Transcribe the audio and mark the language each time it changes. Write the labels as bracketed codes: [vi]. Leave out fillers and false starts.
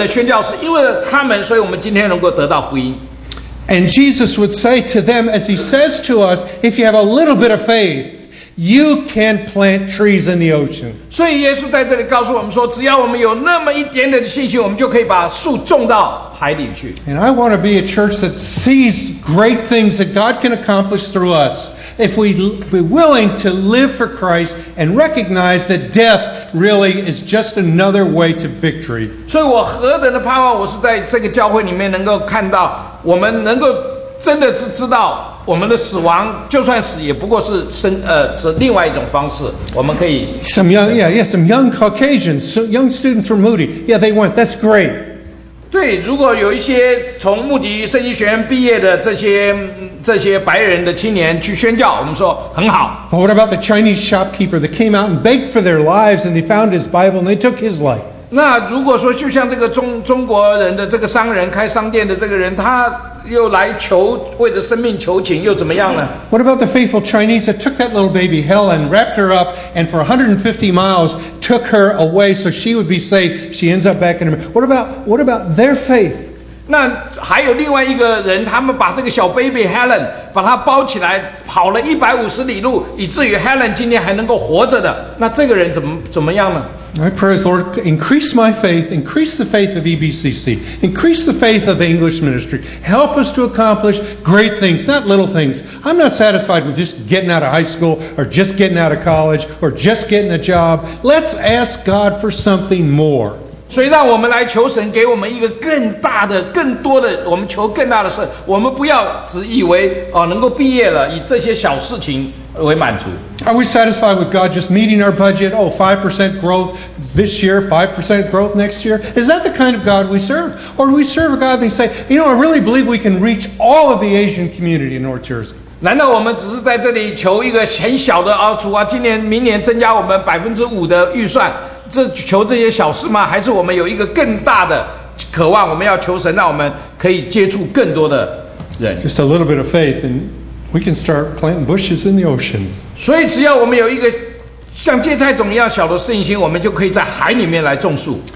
[zh] 所以当我们想想看到是有多少的人，那个尼托森弟兄，或者是哈德森泰勒，或者那剑桥七杰等等的宣教士，因为他们，所以我们今天能够得到福音。 [en] And Jesus would say to them, as he says to us, if you have a little bit of faith, you can plant trees in the ocean. [zh] 所以耶稣在这里告诉我们说，只要我们有那么一点点的信心，我们就可以把树种到海里去。 [en] And I want to be a church that sees great things that God can accomplish through us if we be willing to live for Christ and recognize that death really is just another way to victory. [zh] 所以我何等的盼望，我是在这个教会里面能够看到，我们能够真的是知道我们的死亡就算死也不过是生是另外一种方式我们可以 [en] Some young Caucasians, some young students from Moody. Yeah, they went. That's great. [zh] 对，如果有一些从穆迪圣经学院毕业的这些白人的青年去宣教，我们说很好。 [en] But what about the Chinese shopkeeper that came out and begged for their lives and they found his Bible and they took his life? [zh] 那如果说就像这个中国人的这个商人开商店的这个人，他又来求为着生命求情，又怎么样呢 [en] ？What about the faithful Chinese that took that little baby Helen, wrapped her up, and for 150 miles took her away so she would be safe? She ends up back in America. What about their faith? [zh] 那还有另外一个人，他们把这个小 baby Helen 把她包起来，跑了150里路，以至于 Helen 今天还能够活着的。那这个人怎么样呢？ [en] I pray, Lord, increase my faith, increase the faith of EBCC, increase the faith of the English ministry. Help us to accomplish great things, not little things. I'm not satisfied with just getting out of high school or just getting out of college or just getting a job. Let's ask God for something more. [zh] 所以让我们来求神给我们一个更大的、更多的，我们求更大的事。我们不要只以为能够毕业了，以这些小事情。 [en] Are we satisfied with God just meeting our budget? Oh, 5% growth this year, 5% growth next year? Is that the kind of God we serve? Or do we serve a God that say, you know, I really believe we can reach all of the Asian community in North Jersey? [zh] 难道我们只是在这里求一个很小的主啊，今年、明年增加我们5%的预算，这求这些小事吗？还是我们有一个更大的渴望？我们要求神，让我们可以接触更多的人。 [en] Just a little bit of faith and. We can start planting bushes in the ocean. [zh] 所以只要我们有一个像芥菜种一样小的信心，我们就可以在海里面来种树。